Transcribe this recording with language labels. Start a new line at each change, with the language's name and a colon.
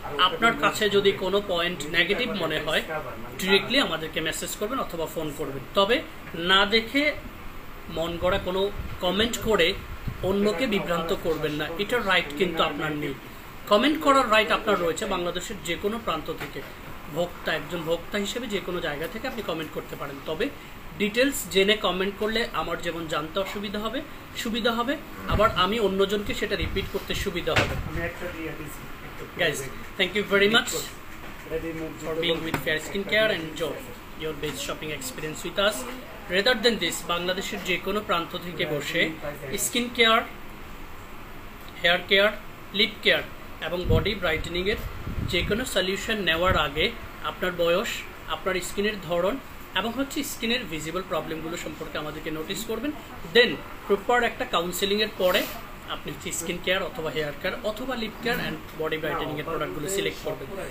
Bangla: আপনার কাছে যদি কোনো পয়েন্ট নেগেটিভ মনে হয় ডিরেক্টলি আমাদেরকে মেসেজ করবেন অথবা ফোন করবেন, তবে না দেখে মন গড়া কোনো কমেন্ট করে অন্যকে বিভ্রান্ত করবেন না, এটা রাইট কিন্তু আপনার নেই। কমেন্ট করার রাইট আপনার রয়েছে বাংলাদেশের যে কোনো প্রান্ত থেকে, ভোক্তা একজন ভোক্তা হিসেবে যে কোনো জায়গা থেকে আপনি কমেন্ট করতে পারেন, তবে ডিটেলস জেনে কমেন্ট করলে আমার যেমন জানতে অসুবিধা হবে সুবিধা হবে, আবার আমি অন্যজনকে সেটা রিপিট করতে সুবিধা হবে।
English: Guys, thank you very much for being with Fair Skin Care and enjoy your best shopping experience with us.
Bangla: Rather than this, বাংলাদেশের যে কোনো প্রান্ত থেকে বসে skin care, hair care, lip care এবং বডি ব্রাইটেনিংয়ের যে কোনো সলিউশন নেওয়ার আগে আপনার বয়স, আপনার স্কিনের ধরন এবং হচ্ছে স্কিনের ভিজিবল প্রবলেমগুলো সম্পর্কে আমাদেরকে নোটিস করবেন, দেন প্রপার একটা কাউন্সেলিংয়ের পরে আপনি হচ্ছে স্কিন কেয়ার অথবা হেয়ার কেয়ার অথবা লিপ কেয়ার অ্যান্ড বডি ব্রাইটেনিংয়ের প্রোডাক্টগুলো সিলেক্ট করবেন।